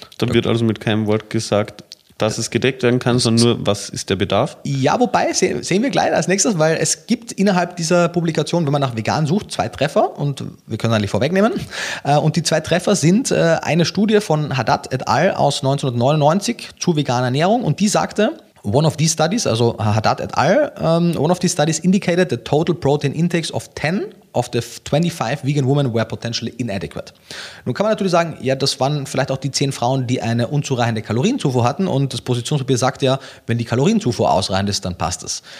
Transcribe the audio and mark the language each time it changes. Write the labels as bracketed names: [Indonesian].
[German] Da wird also mit keinem Wort gesagt, dass es gedeckt werden kann, sondern nur, was ist der Bedarf? Ja, wobei, sehen wir gleich als nächstes, weil es gibt innerhalb dieser Publikation, wenn man nach vegan sucht, zwei Treffer und wir können eigentlich vorwegnehmen. Und die zwei Treffer sind eine Studie von Haddad et al. Aus 1999 zu veganer Ernährung und die sagte, [English] one of these studies, also Haddad et al., one of these studies indicated the total protein intakes of 10 of the 25 vegan women were potentially inadequate. [German] Nun kann man natürlich sagen, ja, das waren vielleicht auch die 10 Frauen, die eine unzureichende Kalorienzufuhr hatten und das Positionspapier sagt ja, wenn die Kalorienzufuhr ausreichend ist, dann passt es.